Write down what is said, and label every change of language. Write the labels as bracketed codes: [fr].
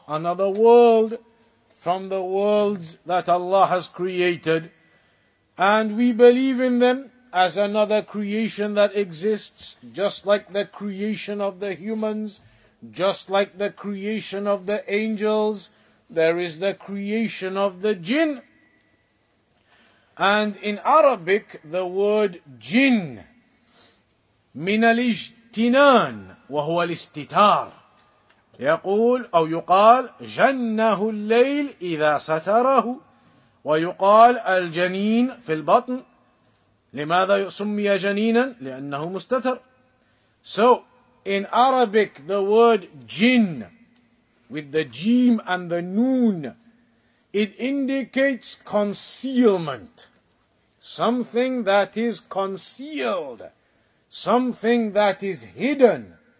[en] Another world from the worlds that Allah has created. And we believe in them as another creation that exists, just like the creation of the humans, just like the creation of the angels, there is the creation of the jinn. And in Arabic, the word jinn, [ar] من الاجتنان وهو الاستتار, يقول أو يقال جنه الليل إذا ستره ويقال الجنين في البطن. لماذا سمي جنينا؟ لأنه مستتر. [en] So, in Arabic, the word jinn, with the jim and the noon, it indicates concealment. Something that is concealed, something that is hidden.